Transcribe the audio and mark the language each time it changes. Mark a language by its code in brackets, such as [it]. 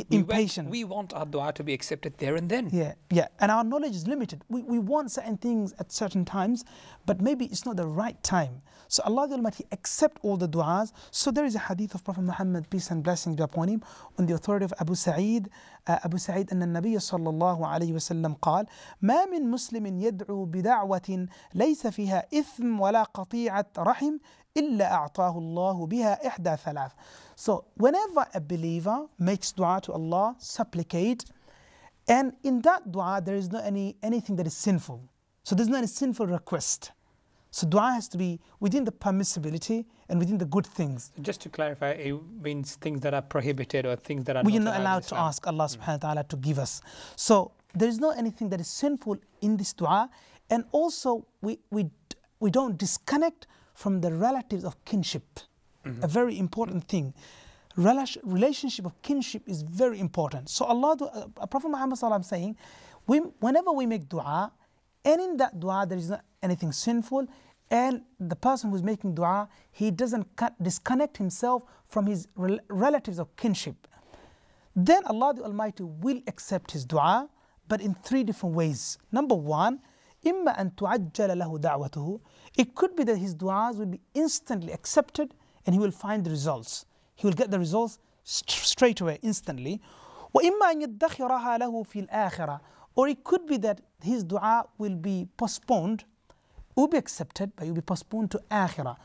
[en] We want our dua to be accepted there and then. Yeah, yeah. And our knowledge is limited. We want certain things at certain times, but maybe it's not the right time. So Allah the Almighty accept all the du'as. So there is a hadith of Prophet Muhammad, peace and blessings be upon him, on the authority of Abu Sa'id. [ar] Abu Sa'id, أن النبي صلى الله عليه وسلم قال ما من مسلم يدعو بدعوة ليس فيها إثم ولا قطيعة رحم إلا أعطاه الله بها إحدى ثلاث. [en] So whenever a believer makes du'a to Allah, supplicate, and in that du'a there is not anything that is sinful. So there's not a sinful request. So dua has to be within the permissibility and within the good things. Just to clarify, it means things that are prohibited or things that are we not allowed to ask Allah subhanahu wa ta'ala to give us. So there is not anything that is sinful in this dua. And also we don't disconnect from the relatives of kinship. Mm-hmm. A very important thing. Relationship of kinship is very important. So Allah, Prophet Muhammad sallallahu alaihi wasallam saying, whenever we make dua, and in that dua there is not anything sinful, and the person who's making dua, he doesn't disconnect himself from his relatives of kinship, then Allah the Almighty will accept his dua, but in three different ways. Number one, [ar] إِمَّا أَن تُعَجَّلَ لَهُ دَعْوَتُهُ. [en] It could be that his duas will be instantly accepted and he will find the results. He will get the results straight away, instantly. [ar] وَإِمَّا أَن يَدَّخِرَهَا لَهُ فِي الْآخِرَةِ. [en] Or it could be that his dua will be postponed, will be accepted, but it will be postponed to akhirah.